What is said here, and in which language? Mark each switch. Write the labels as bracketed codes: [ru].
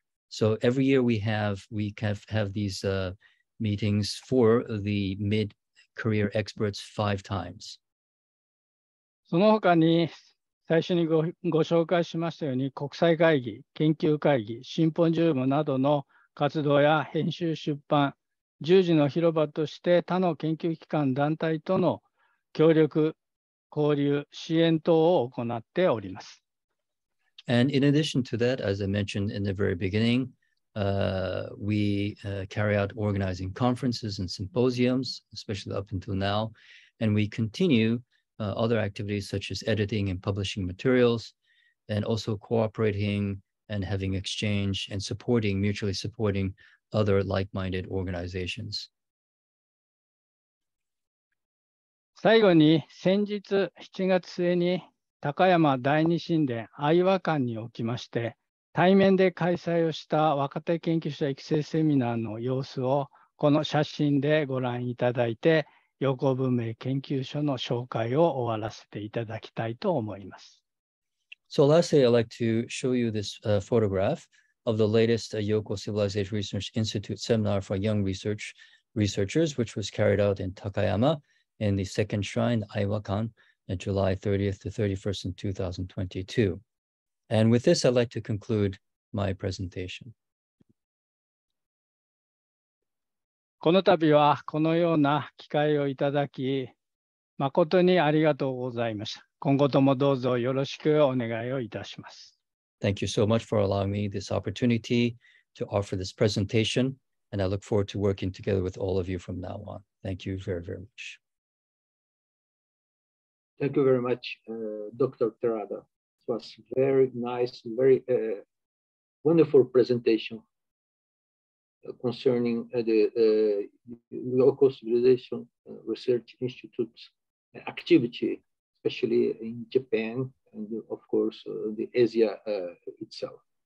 [en] So every year we have these meetings for the mid-career experts 5 times. [ja] その他に最初に ご紹介しましたように国際会議、研究会議、シンポジウムなどの活動や編集出版、十字の広場として他の研究機関団体との協力交流、支援等を行っております。 [en] And in addition to that, as I mentioned in the very beginning, we carry out organizing conferences and symposiums, especially up until now, and we continue other activities such as editing and publishing materials, and also cooperating and having exchange and supporting, mutually supporting other like-minded organizations. [ja] 最後に先日7月末に高山第二神殿愛和館におきまして対面で開催をした若手研究者育成セミナーの様子をこの写真でご覧いただいて横文明研究所の紹介を終わらせていただきたいと思います。 [en] So lastly, I'd like to show you this photograph of the latest Yoko Civilization Research Institute seminar for young researchers, which was carried out in Takayama in the second shrine, Aiwakan, on July 30th to 31st in 2022. And with this, I'd like to conclude my presentation. [ja] この度はこのような機会をいただき、誠にありがとうございました。今後ともどうぞよろしくお願いをいたします。 [en] Thank you so much for allowing me this opportunity to offer this presentation, and I look forward to working together with all of you from now on. Thank you very, very much. Thank you very much, Dr. Terada. It was very nice, very wonderful presentation concerning the local civilization research institutes activity, especially in Japan and of course the Asia itself.